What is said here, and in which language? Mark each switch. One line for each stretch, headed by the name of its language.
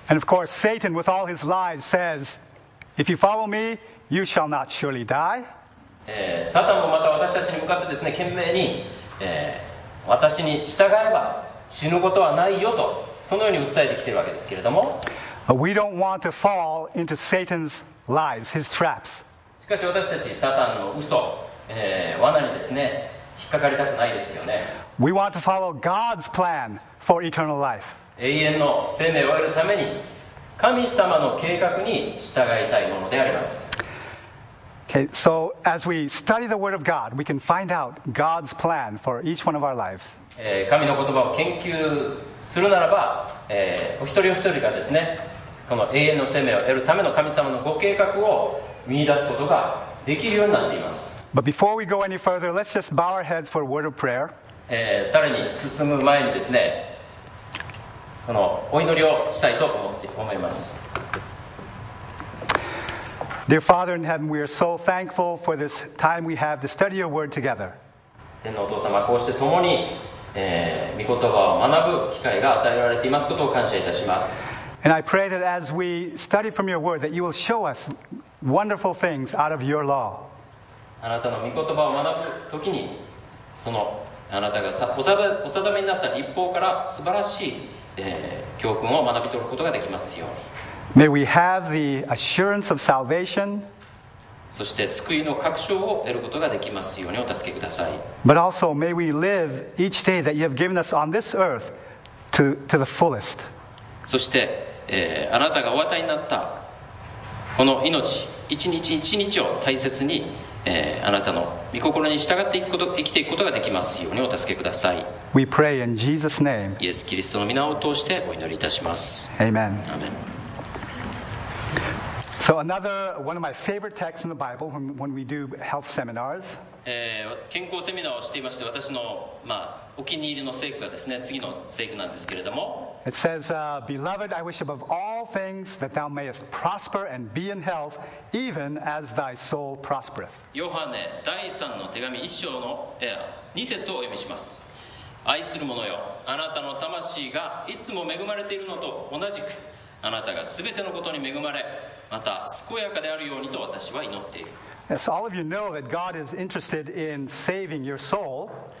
English: And of course, Satan, with all his lies, says, "If you follow me, you shall not surely die."
Japanese: サタンもまた私たちに向かってですね、懸命に、私に従えば死ぬことはないよと、そのように訴えてきているわけですけれども。
English: But we don't want to fall into Satan's lies, his traps.
Japanese: しかし私たち、サタンの嘘、罠にですね、引っかかりたくないですよね。
English: We want to follow God's plan for eternal life.
Japanese: 永遠の生命を得るために、神様の計画に従いたいものであります。
English: Okay, so as we study the Word of God, we can find out God's plan for each one of our lives.
Japanese: 神の言葉を研究するならば、お一人お一人がですね、この永遠の生命を得るための神様のご計画を見出すことができるようになっています。
English: But before we go any further, let's just bow our heads for a word of prayer.
Japanese: さらに進む前にですね、このお祈りをしたいと思います。
English: Dear Father in heaven, we are so thankful for this time we have to study your word together.
Japanese: 天のお父様、こうして共に、御言葉を学ぶ機会が与えられていますことを感謝いたします。
English: And I pray that as we study from your word, that you will show us wonderful things out of your law.
Japanese: あなたの御言葉を学ぶときに、そのあなたがお定めになった立法から素晴らしい、教訓を学び取ることができますように。
English: May we have the assurance of salvation.
Japanese: そして救いの確証を得ることができますようにお助けください。
English: But also may we live each day that you have given us on this earth to the fullest.
Japanese: そして、あなたがお与えになったこの命、一日一日を大切に、あなたの御心に従っていくこと、生きていくことができますようにお助けください。
English: We pray in Jesus' name.
Japanese: イエス・キリストの御名を通してお祈りいたします。
English: Amen.
Japanese: アーメン。
English: So another one of my favorite texts in the Bible when we do health seminars.
Japanese: 健康セミナーをしていまして、私の、まあ、お気に入りの聖句がですね、次の聖句なんですけれども。
English: It says, Beloved, I wish above all things that thou mayest prosper and be in health, even as thy soul prospereth.
Japanese: ヨハネ第3の手紙1章の2節をお読みします。愛する者よ、あなたの魂がいつも恵まれているのと同じく、あなたがすべてのことに恵まれ、また健やかであるようにと私は祈っている。
English: Yes, all of you know that God is interested in saving your soul.